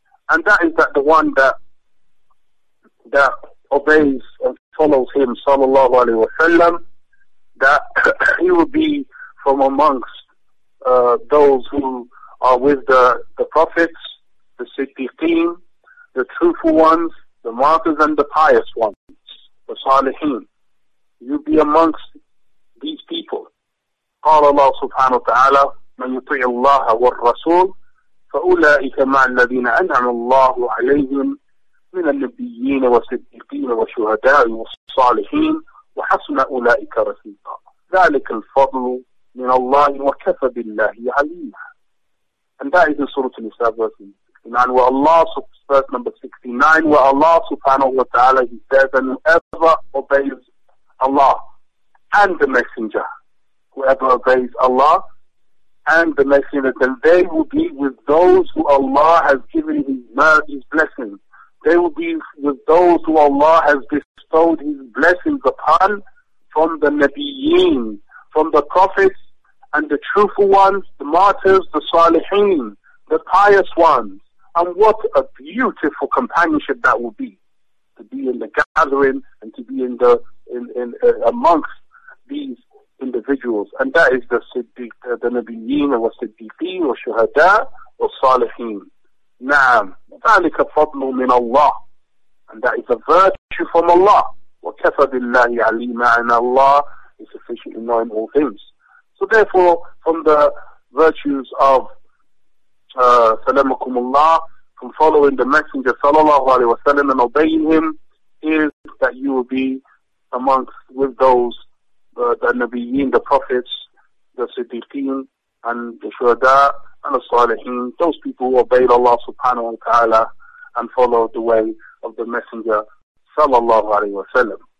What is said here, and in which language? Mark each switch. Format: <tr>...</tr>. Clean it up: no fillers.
<en>And that is that the one that obeys and follows him sallallahu alayhi wa sallam, that he will be from amongst those who are with the prophets, the Siddiqeen, the truthful ones, the martyrs and the pious ones, the Salihin. You'll be amongst these people.</en> <ar>قال الله سبحانه وتعالى من يطيع الله والرسول فأولئك مع الذين أنعم الله عليهم من النبيين والصديقين والشهداء والصالحين وحسن أولئك رفيقا ذلك الفضل من الله وكفى بالله عليما.</ar> <en>And that is in Surah Al-Nisa, verse 69, where Allah, verse number 69, where Allah subhanahu wa ta'ala, he says, and whoever obeys Allah and the Messenger, whoever obeys Allah and the Messenger, then they will be with those who Allah has given his blessings. They will be with those who Allah has bestowed his blessings upon, from the Nabiyeen, from the prophets and the truthful ones, the martyrs, the Salihin, the pious ones. And what a beautiful companionship that will be, to be in the gathering and to be amongst these individuals. And that is the Siddiq, the Nabiyeen, or Siddiqeen, or Shuhada, or Salihin.</en> <ar>Naam, ذَلِكَ فَضْلُ مِنَ اللَّهِ.</ar> <en>And that is a virtue from Allah.</en> <ar>وَكَفَى بِاللَّهِ عَلِيمًا.</ar> <en>And Allah is sufficiently knowing all things. So therefore, from the virtues of</en> <ar>سَلَمَكُمُ اللَّهِ,</ar> <en>from following the Messenger sallallahu alayhi wa sallam and obeying him, is that you will be amongst with those the Nabiyeen, the Prophets, the Siddiqeen, and the Shuhada, and the Salihin, those people who obeyed Allah subhanahu wa ta'ala and followed the way of the Messenger sallallahu alayhi wa sallam.</en>